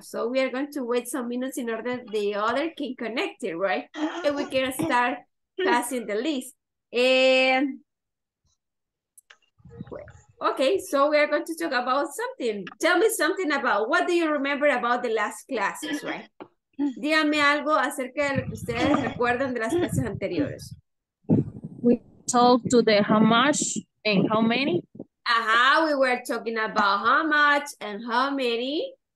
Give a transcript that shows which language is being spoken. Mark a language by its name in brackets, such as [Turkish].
[English] So we are going to wait some minutes in order the other can connect it, right? And we can start passing the list. And okay, so we are going to talk about something. Tell me something about, what do you remember about the last classes, right? [Spanish] Dígame algo acerca de lo que ustedes recuerdan de las clases anteriores. [English] We talked to the how much. And how many? We were talking about how much and how many.